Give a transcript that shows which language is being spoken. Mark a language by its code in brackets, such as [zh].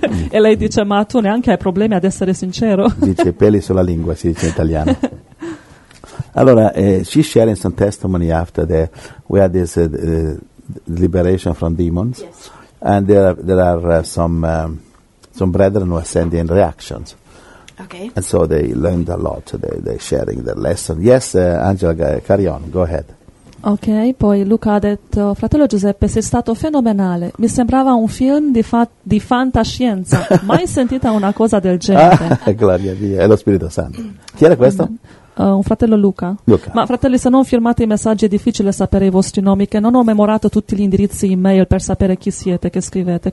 [it] E lei dice ma tu neanche hai problemi ad essere sincero. Dice peli sulla lingua, si dice in italiano. [en] Allora, she sharing some testimony after the where this liberation from demons. Yes. And there are some brethren who are sending reactions. Okay. And so they learned a lot, they're sharing their lesson. Yes, Angela, carry on, go ahead. [it] Ok, poi Luca ha detto: fratello Giuseppe, sei stato fenomenale. Mi sembrava un film di fantascienza. Mai sentita una cosa del genere. Gloria a Dio, è lo Spirito Santo. Chi era questo? Un fratello Luca. Luca. Ma fratelli, se non firmate i messaggi è difficile sapere i vostri nomi, che non ho memorato tutti gli indirizzi email per sapere chi siete, che scrivete.